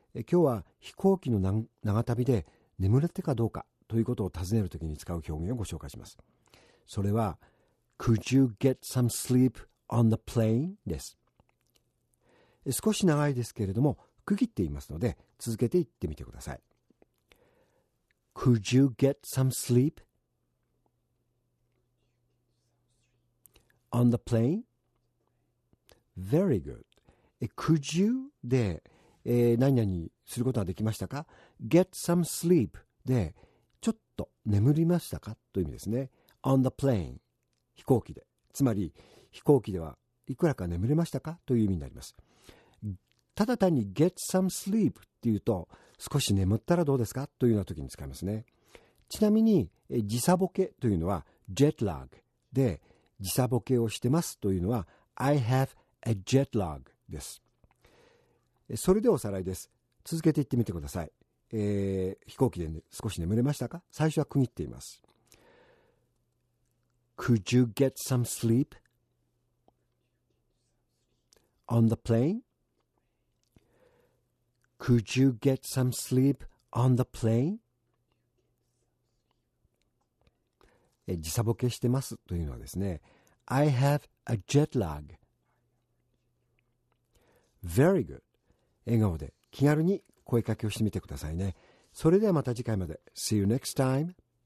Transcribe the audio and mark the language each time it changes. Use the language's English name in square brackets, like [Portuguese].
[Japanese] 今日は飛行機の長旅で眠れてかどうかということを尋ねるときに使う表現をご紹介します。それは [English] Could you get some sleep on the plane? [Japanese] です。 [English] 少し長いですけれども区切っていますので続けて言ってみてください。 Could you get some sleep on the plane? Very good. Could you [Japanese] で、何々することができましたか。 [English] Get some sleep [Japanese] でちょっと眠りましたかという意味ですね。 [English] On the plane [Japanese] 飛行機で、つまり飛行機ではいくらか眠れましたかという意味になります。ただ単に [English] get some sleep [Japanese] っていうと少し眠ったらどうですかというような時に使いますね。ちなみに時差ボケというのは jet lag で、時差ボケをしてますというのは [English] I have a jet lag [Japanese] です。それでおさらいです。続けて言ってみてください。飛行機で、ね、少し眠れましたか。最初は区切っています。 [English] Could you get some sleep on the plane? Could you get some sleep on the plane? [Japanese] 時差ボケしてますというのはですね、 [English] I have a jet lag. Very good. [Japanese] 笑顔で気軽に声かけをしてみてくださいね。それではまた次回まで。 [English] See you next time.